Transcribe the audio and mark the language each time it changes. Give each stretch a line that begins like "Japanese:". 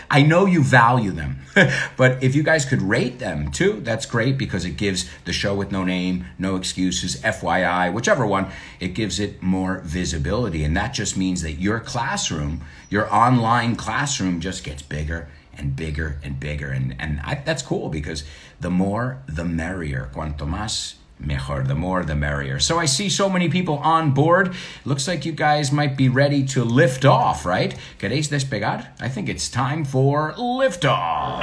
English: I know you value them, but if you guys could rate them too, that's great, because it gives the show with no name, no excuses, FYI, whichever one, it gives it more visibility. And that just means that your classroom, your online classroom, just gets bigger and bigger and bigger. And that's cool, because the more, the merrier.
Spanish: Cuanto más, mejor,
English: the more the merrier. So I see so many people on board. Looks like you guys might be ready to lift off, right?
Spanish: ¿Queréis despegar?
English: I think it's time for lift off.